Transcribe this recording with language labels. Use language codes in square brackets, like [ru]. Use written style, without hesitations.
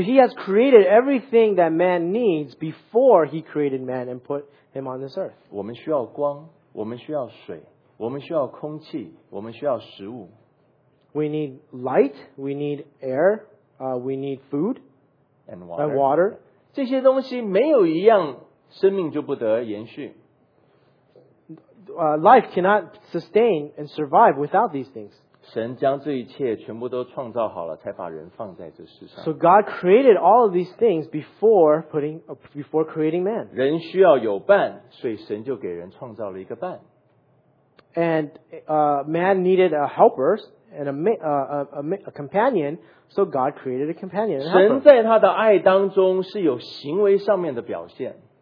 [en] he has created everything that man needs before he created man and put him on this earth. [zh] 我们需要光，我们需要水，我们需要空气，我们需要食物。 [en] We need light, we need air, we need food and water. And water. [zh] 这些东西没有一样，生命就不得延续。 [en] Life cannot sustain and survive without these things. [zh] 神将这一切全部都创造好了，才把人放在这世上。 [en] So God created all of these things before creating man. [zh] 人需要有伴，所以神就给人创造了一个伴。 [en] And man needed a helper and a companion, so God created a companion. [zh] 神在他的爱当中是有行为上面的表现。